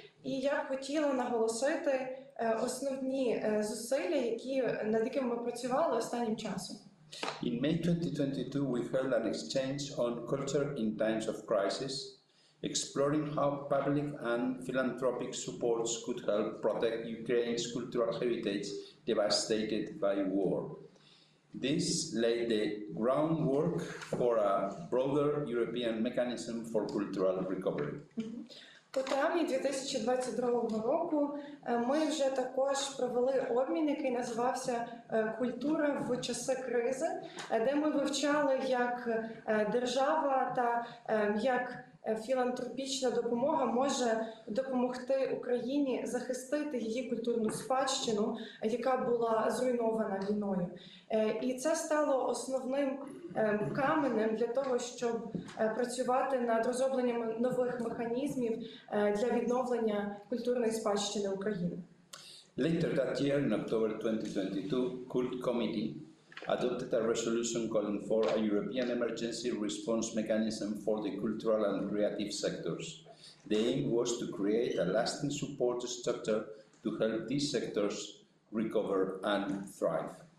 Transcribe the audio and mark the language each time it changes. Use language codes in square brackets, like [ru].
[uk] І я б хотіла наголосити основні зусилля, над якими ми працювали останнім часом. [en] In May 2022, we held an exchange on culture in times of crisis, exploring how public and philanthropic supports could help protect Ukraine's cultural heritage devastated by war. This laid the groundwork for a broader European mechanism for cultural recovery. [uk] У травні 2022 року ми вже також провели обмін, який називався «Культура в часи кризи», де ми вивчали, як держава та як філантропічна допомога може допомогти Україні захистити її культурну спадщину, яка була зруйнована війною. І це стало основним каменем для того, щоб працювати над розробленням нових механізмів для відновлення культурної спадщини України. [en] Later that year, in October 2022, Cult Committee adopted a resolution calling for a European emergency response mechanism for the cultural and creative sectors. The aim was to create a lasting support structure to help these sectors recover and thrive.